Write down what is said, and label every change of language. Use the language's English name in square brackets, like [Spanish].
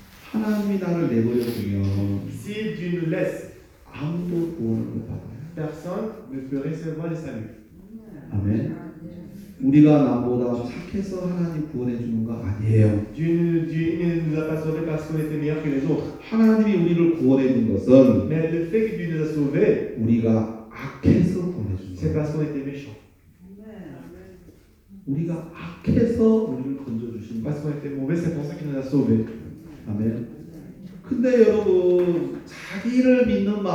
[Korean] 하나님이 나를 내버려 두면 [French] Si Dieu nous laisse, [Korean] 아무도 구원을 못 받아요. [French] Personne ne peut recevoir le salut. [Korean] 아멘. 우리가 남보다 착해서 하나님 구원해 주는 거 아니에요. [French] Dieu ne nous a pas sauvé parce qu'on était meilleur que les autres. [Korean] 하나님이 우리를 구원해 준 것은 [French] Mais le fait que Dieu nous a sauvé, [Korean] 우리가 악해서 구원해 준 것. [French] C'est parce qu'on était méchant. [Korean] 우리가 악해서 우리를 건져 주신 [French] Parce qu'on était mauvais, c'est pour ça qu'il nous a sauvé. [Korean] 아멘. 근데 여러분 자기를 믿는 마